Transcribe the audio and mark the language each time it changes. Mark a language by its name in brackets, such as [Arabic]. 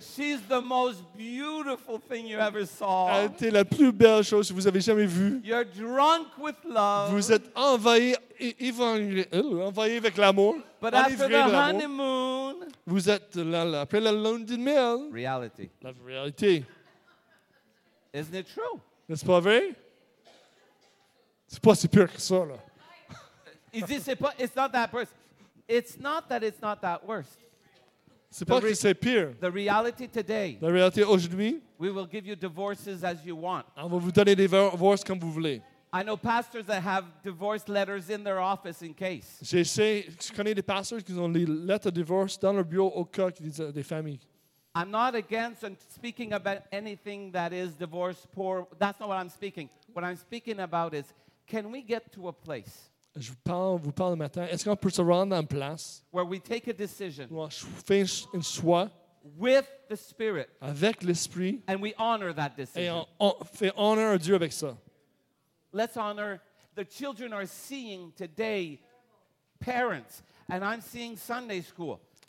[English] She's the most beautiful thing you ever saw. [French] Elle était la plus belle chose que vous avez jamais vue. [English] You're drunk with love. [French] Vous êtes envahi avec l'amour. [English] But after the honeymoon. [French] Vous êtes là, là après la lune de miel. [English] Reality. [French] La réalité. [English] Isn't it true? [French] N'est-ce pas vrai? C'est pas si pire que ça, là. [English] It's not that worse. It's not that it's not that worse. [French] C'est pas que c'est pire. [English] The reality today. [French] La réalité aujourd'hui. [English] We will give you divorces as you want. [French] On va vous donner des divorces comme vous voulez. [English] I know pastors that have divorce letters in their office in case. [French] Je connais des pasteurs qui ont des lettres de divorce dans leur bureau au cas qu'ils aient des familles. [English] I'm not against speaking about anything that is divorce poor. That's not what I'm speaking. What I'm speaking about is, can we get to a place? [French] Je vous parle le matin. Est-ce qu'on peut se rendre en place [English] where we take a decision [French] où on fait un choix [English] with the Spirit [French] avec l'Esprit [English] and we honor that decision. [French] Et on fait honneur à Dieu avec ça. [English] Let's honor. The children are seeing today parents, and I'm seeing Sunday school.